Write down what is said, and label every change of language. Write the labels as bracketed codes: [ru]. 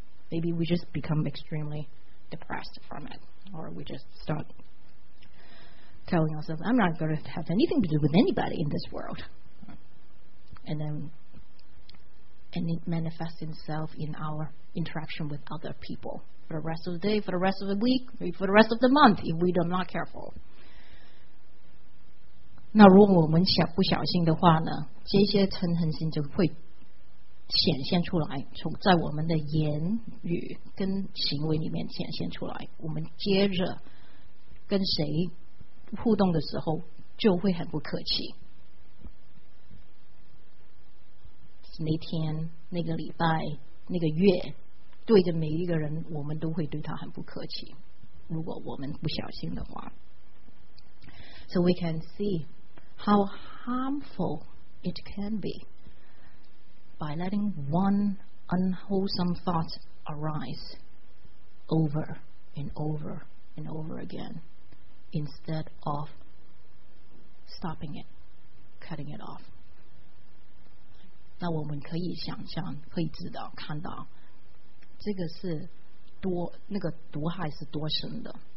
[en] Maybe we just become extremely depressed from it, or we just start telling ourselves, I'm not going to have anything to do with anybody in this world. And it manifests itself in our interaction with other people. for the rest of the day, for the rest of the week, for the rest of the month, if we are not careful. [zh] 那如果我们不小心的话呢，这些嗔恨心就会显现出来，从在我们的言语跟行为里面显现出来。我们接着跟谁互动的时候，就会很不客气。那天、那个礼拜、那个月，对着每一个人，我们都会对他很不客气。如果我们不小心的话 [en] ，So we can see how harmful it can be by letting one unwholesome thought arise over and over and over again instead of stopping it, cutting it off. [zh] 那我们可以想象，可以知道，看到这个是多，那个毒害是多深的。